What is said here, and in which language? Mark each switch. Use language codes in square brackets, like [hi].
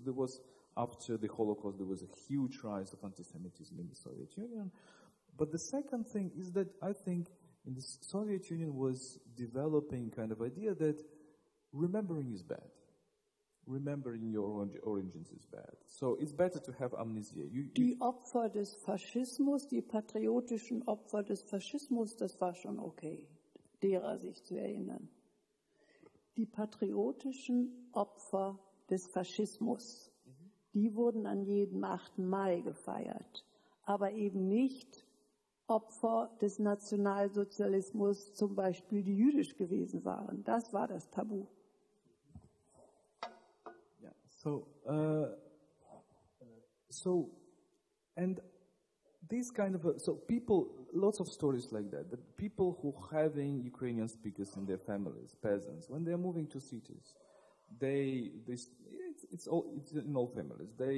[en] So there was, after the Holocaust, there was a huge rise of anti-Semitism in the Soviet Union. But the second thing is that I think in the Soviet Union was developing kind of idea that remembering is bad. Remembering your origins is bad. So it's better to have amnesia. [de] Die Opfer des Faschismus, die patriotischen Opfer des Faschismus, das war schon okay. Derer sich zu erinnern. Die patriotischen Opfer des Faschismus, die wurden an jedem 8. Mai gefeiert, aber eben nicht Opfer des Nationalsozialismus, zum Beispiel die jüdisch gewesen waren. Das war das Tabu. [en] Yeah, so, and these kind of, so people, lots of stories like that. The people who having Ukrainian speakers in their families, peasants, when they are moving to cities, it's in all families.